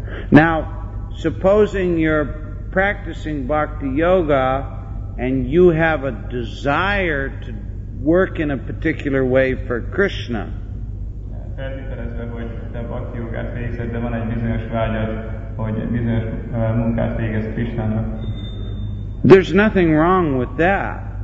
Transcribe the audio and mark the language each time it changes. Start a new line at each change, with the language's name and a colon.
English: Now, supposing you're practicing bhakti yoga and you have a desire to work in a particular way for Krishna.
Hungarian: Feltételezve, hogy te bhakti jogát végzed, de van egy bizonyos vágyad, hogy bizonyos munkát végezd Krishnának.
English: There's nothing wrong with that.